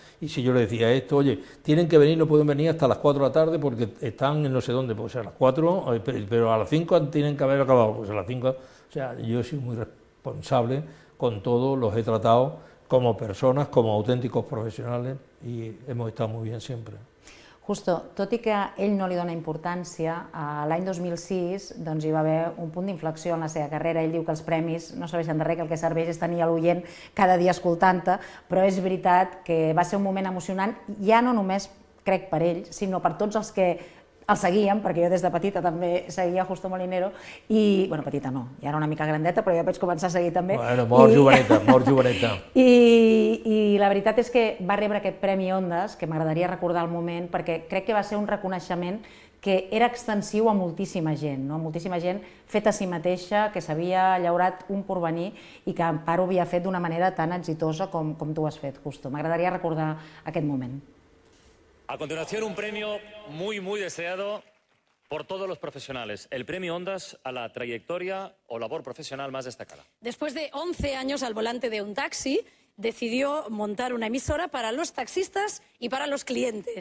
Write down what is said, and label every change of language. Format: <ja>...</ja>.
<es>Y si yo les decía esto, oye, tienen que venir, no pueden venir hasta las 4 de la tarde porque están en no sé dónde, pues a las 4, pero a las 5 tienen que haber acabado, pues a las 5. O sea, yo he sido muy responsable con todo, los he tratado como personas, como auténticos profesionales, y hemos estado muy bien siempre.</es> <ca>Justo, tot i que ell no li dona importància, l'any 2006 doncs, hi va haver un punt d'inflexió en la seva carrera. Ell diu que els premis no serveixen de res, que el que serveix és tenir l'oient cada dia escoltant-te, però és veritat que va ser un moment emocionant, ja no només, crec, per ell, sinó per tots els que el seguíem, perquè jo des de petita també seguia Justo Molinero, i, bueno, petita no, ja era una mica grandeta, però ja vaig començar a seguir també. Bueno, molt joveneta, molt joveneta. I la veritat és que va rebre aquest Premi Ondas, que m'agradaria recordar el moment, perquè crec que va ser un reconeixement que era extensiu a moltíssima gent, no? Moltíssima gent feta a si mateixa, que s'havia llaurat un porvenir i que en part ho havia fet d'una manera tan exitosa com tu ho has fet, Justo. M'agradaria recordar aquest moment.</ca> <es>A continuación, un premio muy, muy deseado por todos los profesionales. El Premio Ondas a la trayectoria o labor profesional más destacada. Después de 11 años al volante de un taxi, decidió montar una emisora para los taxistas y para los clientes.</es>